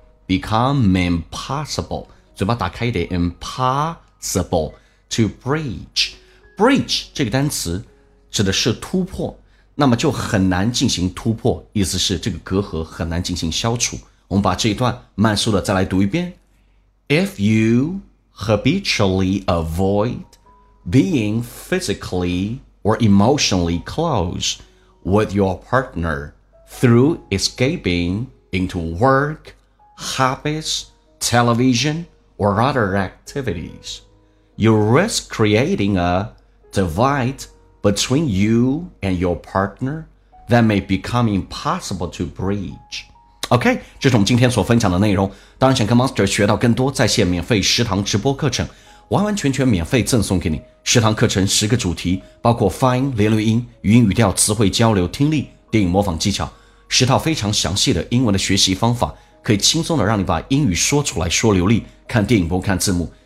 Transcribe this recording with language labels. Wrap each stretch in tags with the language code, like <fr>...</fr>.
<en>Become impossible.</en> <zh>嘴巴打开一点</zh> <en>impossible to bridge.</en> <zh>Bridge 这个单词指的是突破，那么就很难进行突破，意思是这个隔阂很难进行消除。我们把这一段慢速的再来读一遍。</zh> <en>If you habitually avoid being physically or emotionally close with your partner through escaping into work, hobbies, television, or other activities, you risk creating a divide between you and your partner that may become impossible to bridge. OK，</en> <zh>这是我们今天所分享的内容。当然想跟 Monster 学到更多在线免费食堂直播课程，完完全全免费赠送给你。食堂课程十个主题，包括发音、连读音、语音语调、词汇交流、听力、电影模仿技巧，十套非常详细的英文的学习方法，可以轻松的让你把英语说出来说流利，看电影不看字幕。</zh>